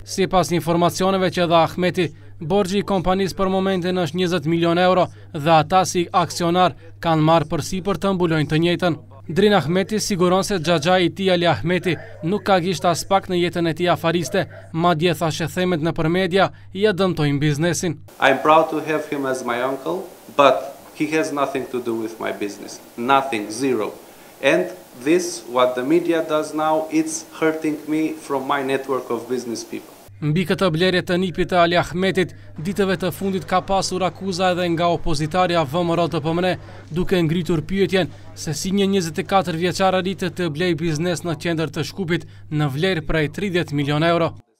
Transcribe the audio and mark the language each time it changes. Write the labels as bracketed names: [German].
[Albanian] Sipas informacioneve që dha Ahmeti, borxhi i kompanisë për momentin është 20 milion euro dhe ata si aksionar kanë marrë përsi për të mbulojnë të njëjtën. Drin Ahmeti siguron se xhaxhai i tij Ali Ahmeti nuk ka gisht as pak në jetën e tij afariste, madje thashë themet nëpër media i ja dëmtojnë biznesin. [English] I'm proud to have him as my uncle, but he has nothing to do with my business. Nothing, zero. And this what the media does now, it's hurting me from my network of business people. [Albanian] Mbi këtë blerje të nipit të Ali Ahmetit, ditëve të fundit ka pasur akuza edhe nga opozitarja VMRO të PMR, duke ngritur pyetjen se si një 24-vjeçar arritet të blej biznes në qendër të Shkupit në vlerë prej 30 milion euro.